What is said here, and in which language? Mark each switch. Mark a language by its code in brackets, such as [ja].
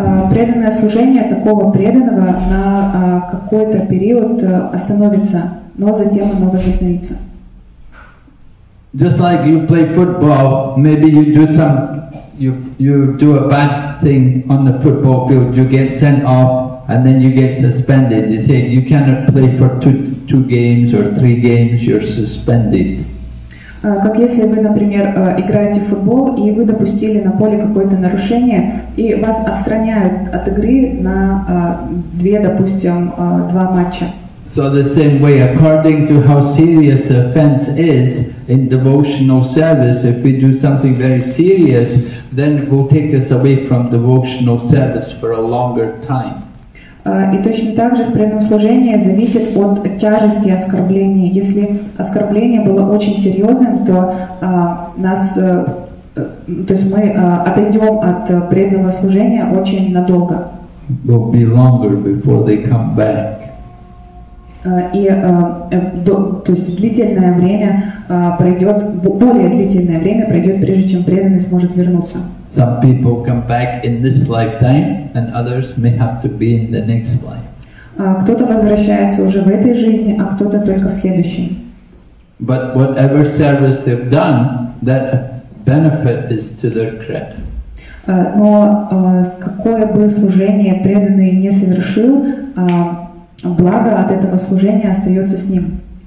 [ru] Преданное служение такого преданного на какой-то период остановится, но затем оно возобновится. [en] Just like you play football, maybe you do some, you do a bad thing on the football field, you get sent off, and then you get suspended. They say you cannot play for two games or three games, you're suspended. [ru] Как если вы, например, играете в футбол, и вы допустили на поле какое-то нарушение, и вас отстраняют от игры на два матча. [en] So the same way, according to how serious the offense is, in devotional service, if we do something very serious, then it will take us away from devotional service for a longer time. [ru] И точно так же в преданном служении зависит от тяжести оскорбления. Если оскорбление было очень серьезным, то мы отойдем от преданного служения очень надолго. [en] Will be longer before they come back. [ru] Длительное время пройдет, более длительное время пройдет, прежде чем преданный сможет вернуться. [en] Some people come back in this lifetime, and others may have to be in the next life. [ru] Кто-то возвращается уже в этой жизни, а кто-то только в следующей. [en] But whatever service they've done, that benefit is to their credit. [ru] Но какое бы служение преданный не совершил, благо от этого служения остается с ним.